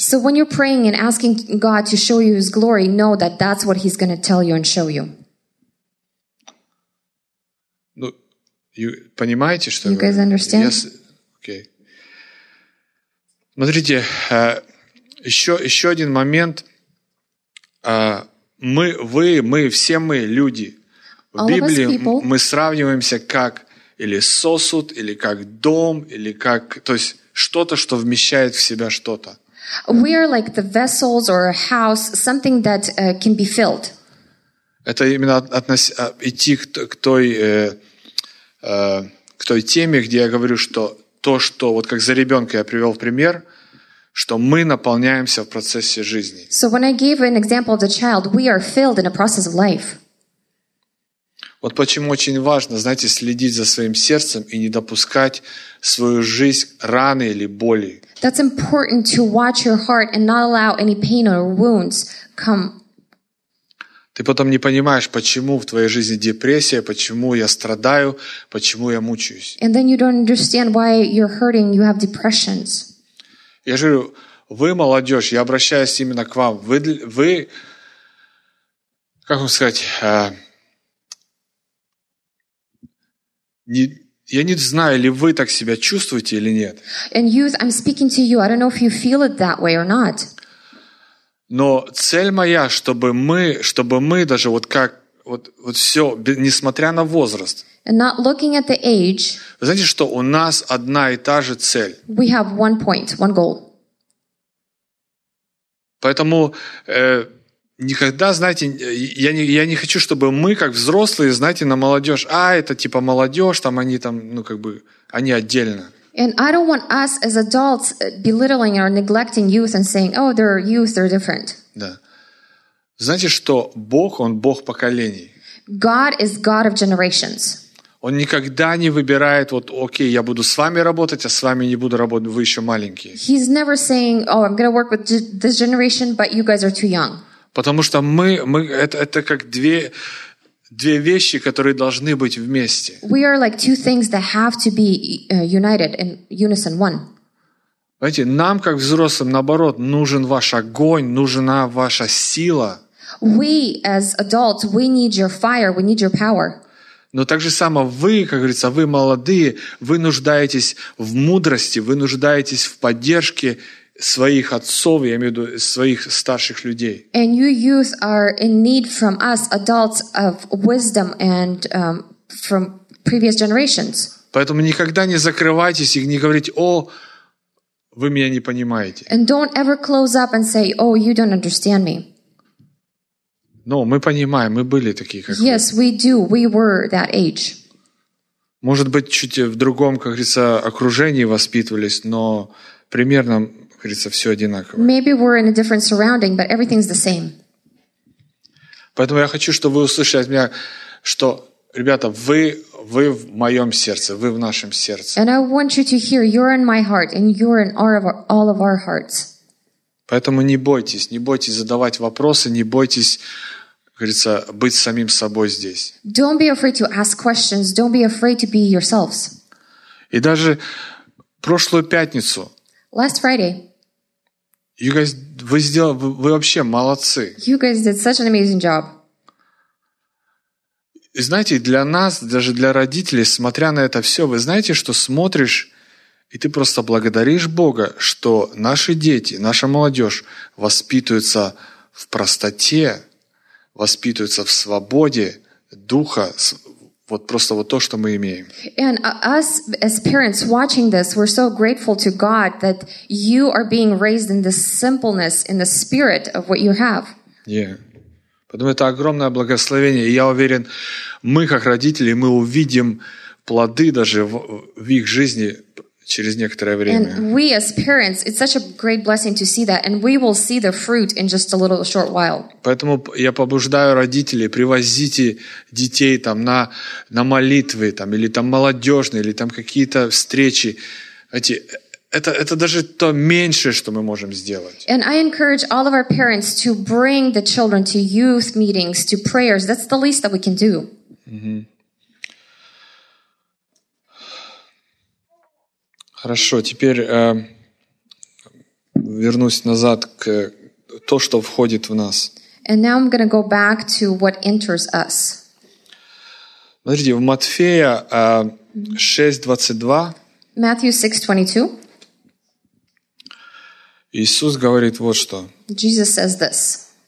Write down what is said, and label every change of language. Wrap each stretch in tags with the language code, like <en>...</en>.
<en>So when you're praying and asking God to show you his glory, know that that's what he's going to tell you and show you.</en> <ru>Ну, понимаете, что</ru> <en>you</en> <ru>я говорю?</ru> <en>You guys understand? Yes. Okay.</en> <ru>Смотрите, еще один момент. Мы люди.</ru> <en>All</en> <ru>в Библии мы сравниваемся как или сосуд, или как дом, или как, то есть что-то, что вмещает в себя что-то.</ru> <en>We are like the vessels or a house, something that can be filled.</en> <ru>Это именно идти к той теме, где я говорю, что то, что вот как за ребенка я привел в пример, что мы наполняемся в процессе жизни.</ru> <en>So when I gave an example of the child, we are filled in a process of life.</en> <ru>Вот почему очень важно, знаете, следить за своим сердцем и не допускать в свою жизнь раны или боли.</ru> <en>That's important to watch your heart and not allow any pain or wounds come.</en> <ru>Ты потом не понимаешь, почему в твоей жизни депрессия, почему я страдаю, почему я мучаюсь.</ru> <en>And then you don't understand why you're hurting, you have depressions.</en> <ru>Я же говорю, вы молодежь, я обращаюсь именно к вам. Вы как вам сказать, я не знаю, ли вы так себя чувствуете или нет.</ru> <en>And youth, I'm speaking to you. I don't know if you feel it that way or not.</en> <ru>Но цель моя, чтобы мы даже вот как вот все, несмотря на возраст.</ru> <en>And not looking at the age.</en> <ru>Вы знаете, что у нас одна и та же цель.</ru> <en>We have one point, one goal.</en> <ru>Поэтому никогда, знаете, я не хочу, чтобы мы, как взрослые, знаете, на молодежь, это типа молодежь, там они там, ну как бы, они отдельно.</ru> <en>And I don't want us as adults belittling or neglecting youth and saying, oh, they're youth, they're different.</en> <ru>Да. Знаете, что Бог, он Бог поколений.</ru> <en>God is God of generations.</en> <ru>Он никогда не выбирает, вот, окей, я буду с вами работать, а с вами не буду работать, вы еще маленькие.</ru> <en>He's never saying, oh, I'm going to work with this generation, but you guys are too young.</en> <ru>Потому что мы это как две вещи, которые должны быть вместе.</ru> <en>We are like two things that have to be united in unison, one.</en> <ru>Знаете, нам, как взрослым, наоборот, нужен ваш огонь, нужна ваша сила.</ru> <en>We, as adults, we need your fire, we need your power.</en> <ru>Но так же само вы, как говорится, вы молодые, вы нуждаетесь в мудрости, вы нуждаетесь в поддержке своих отцов, я имею в виду своих старших людей.</ru> <en>And you youth are in need from us adults of wisdom and from previous generations.</en> <ru>Поэтому никогда не закрывайтесь и не говорите: «О, вы меня не понимаете».</ru> <en>And don't ever close up and say, oh, you don't understand me.</en> <ru>Но мы понимаем, мы были такие, как</ru> <en>yes,</en> <ru>вы.</ru> <en>We do. We were that age.</en> <ru>Может быть, чуть в другом, как говорится, окружении воспитывались, но примерно, как говорится, все одинаково.</ru> <en>Maybe we're in a different surrounding, but everything's the same.</en> <ru>Поэтому я хочу, чтобы вы услышали от меня, что, ребята, вы в моем сердце, вы в нашем сердце.</ru> <en>And I want you to hear, you're in my heart, and you're in all of our hearts.</en> <ru>Поэтому не бойтесь задавать вопросы, не бойтесь, как говорится, быть самим собой здесь.</ru> <en>Don't be afraid to ask questions, don't be afraid to be yourselves.</en> <ru>И даже прошлую пятницу.</ru> <en>Last Friday. You guys,</en> <ru>вы вообще молодцы.</ru> <en>You guys did such an amazing job.</en> <ru>И знаете, для нас, даже для родителей, смотря на это все, вы знаете, что смотришь, и ты просто благодаришь Бога, что наши дети, наша молодежь воспитываются в простоте, воспитываются в свободе духа, вот просто вот то, что мы имеем.</ru> <en>And us, as parents watching this, we're so grateful to God that you are being raised in this simpleness, in the spirit of what you have. Yeah.</en> <ru>Поэтому это огромное благословение. И я уверен, мы, как родители, мы увидим плоды даже в их жизни через некоторое время.</ru> <en>And we, as parents, it's such a great blessing to see that. And we will see the fruit in just a little short while.</en> <ru>Поэтому я побуждаю родителей, привозите детей там на молитвы, там, или там молодежные, или там какие-то встречи. Знаете, это даже то меньшее, что мы можем сделать.</ru> <en>And I encourage all of our parents to bring the children to youth meetings, to prayers. That's the least that we can do. Mm-hmm.</en> <ru>Хорошо, теперь вернусь назад к то, что входит в нас.</ru> <en>And now I'm going to go back to what enters us.</en> <ru>Смотрите, в Матфея 6:22.</ru> <en>Matthew 6:22.</en> <ru>Иисус говорит вот что.</ru> <en>Jesus says this.</en>